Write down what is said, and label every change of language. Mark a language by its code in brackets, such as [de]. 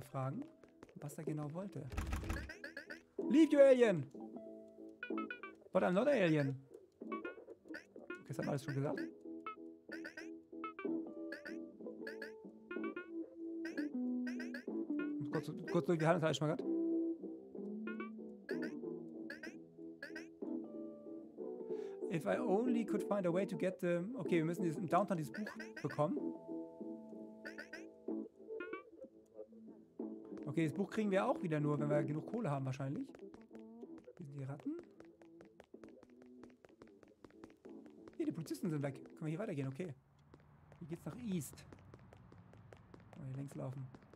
[de] fragen, was er genau wollte. [en] Leave you Alien! But I'm not an Alien! [de] Okay, das haben wir alles schon gesagt. Kurz durch die Hand, Herr Schmagat. [en] If I only could find a way to get the... [de] Okay, wir müssen im Downtown dieses Buch bekommen. Okay, das Buch kriegen wir auch wieder nur, wenn wir genug Kohle haben wahrscheinlich. Hier sind die Ratten. Hier, die Polizisten sind weg. Können wir hier weitergehen? Okay. Hier geht's nach East. Können wir hier längs laufen.